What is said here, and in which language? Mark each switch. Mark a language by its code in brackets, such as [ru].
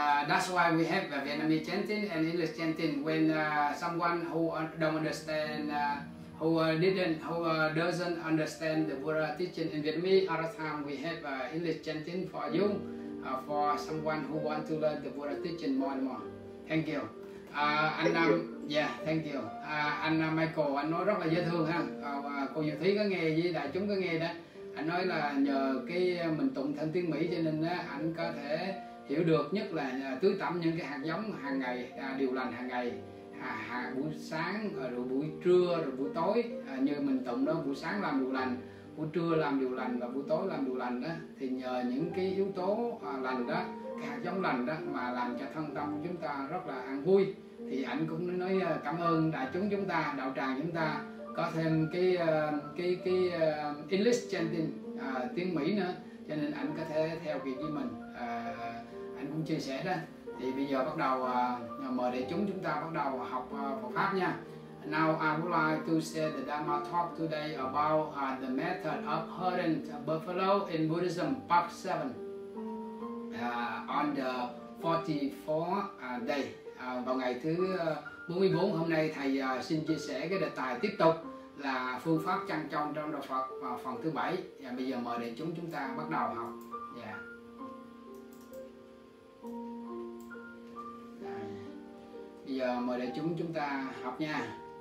[en] That's why we have Vietnamese chanting and English chanting. When someone who don't understand, doesn't understand the Buddha teaching in Vietnamese, other time we have English chanting for you. For someone who want to learn the Buddha teaching more and more. Thank you. Thank you. [vi] Michael, anh nói rất là dễ thương ha. Cô Diệu Thúy có nghe với đại chúng có nghe đó. Anh nói là nhờ cái mình tụng thánh tiếng Mỹ cho nên anh có thể hiểu được, nhất là tưới tẩm những cái hạt giống hàng ngày, điều lành hàng ngày, buổi sáng rồi buổi trưa rồi buổi tối, như mình tụng đó, buổi sáng làm điều lành, buổi trưa làm điều lành và buổi tối làm điều lành đó, thì nhờ những cái yếu tố lành đó, cái hạt giống lành đó mà làm cho thân tâm chúng ta rất là an vui. Thì anh cũng nói cảm ơn đại chúng chúng ta, đạo tràng chúng ta có thêm cái English chanting tiếng Mỹ nữa, cho nên anh có thể theo kịp với mình. Anh cũng chia sẻ đó. Thì bây giờ bắt đầu mời đại chúng chúng ta bắt đầu học Phật pháp nha. [en] Now I would like to share the Dharma talk today about the method of herding buffalo in Buddhism, part 7, on the 44th day, vào ngày thứ 44. [vi] Hôm nay thầy xin chia sẻ cái đề tài tiếp tục là phương pháp chăn trâu trong đạo Phật vào phần thứ 7. Và bây giờ mời đại chúng chúng ta bắt đầu học. Bây giờ mời đại chúng chúng ta học nha.